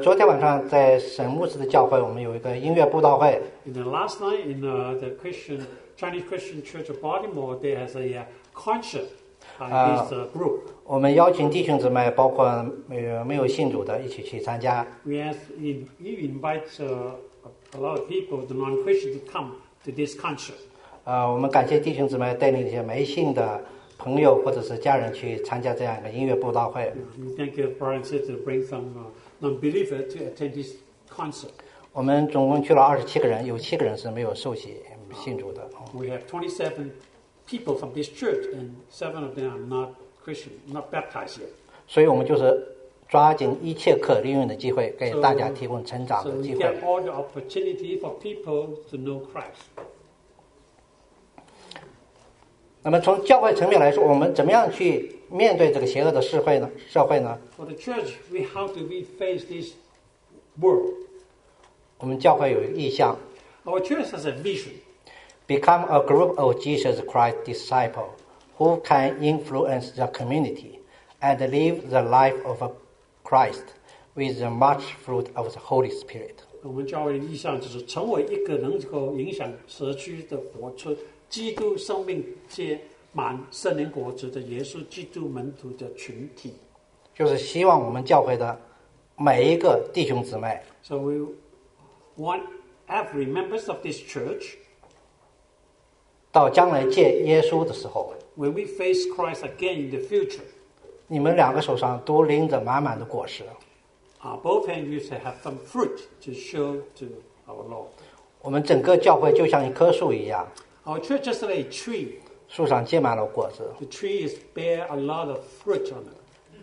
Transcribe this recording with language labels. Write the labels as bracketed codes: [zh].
[zh] 昨天晚上在沈牧师的教会，我们有一个音乐布道会。 [en] In the last night in the Christian Chinese Christian Church of Baltimore, there has a concert by this group. [zh] 我们邀请弟兄姊妹，包括没有信主的，一起去参加。 [en] We invite a lot of people, the non-Christian, to come to this concert. [zh] 我们感谢弟兄姊妹带领一些没信的朋友或者是家人去参加这样一个音乐布道会。 [en] Thank you, Brian, to bring some non-believers to attend this concert. [zh] 我们总共去了27个人，有7个人是没有受洗信主的。 [en] We have 27. People from this church, and 7 of them are not Christian, not baptized yet. [zh] 所以我们就是抓紧一切可利用的机会，给大家提供成长的机会。 [en] So we get all the opportunity for people to know Christ. [zh] 那么从教会层面来说，我们怎么样去面对这个邪恶的社会呢 [en] ？For the church, we how do we face this world? [zh] 我们教会有一个意向。 [en] Our church has a vision. Become a group of Jesus Christ disciples who can influence the community and live the life of Christ with the much fruit of the Holy Spirit. [zh] 我们教会的意向就是成为一个能够影响社区的活出基督生命皆满圣灵果子的耶稣基督门徒的群体。就是希望我们教会的每一个弟兄姊妹。 [en] So we want every members of this church. [zh] 到将来见耶稣的时候。 [en] When we face Christ again in the future. [zh] 你们两个手上都拎着满满的果实。 [en] Both hands used to have some fruit to show to our Lord. [zh] 我们整个教会就像一棵树一样。 [en] Our church is like a tree. [zh] 树上结满了果子。 [en] The tree is bear a lot of fruit on it.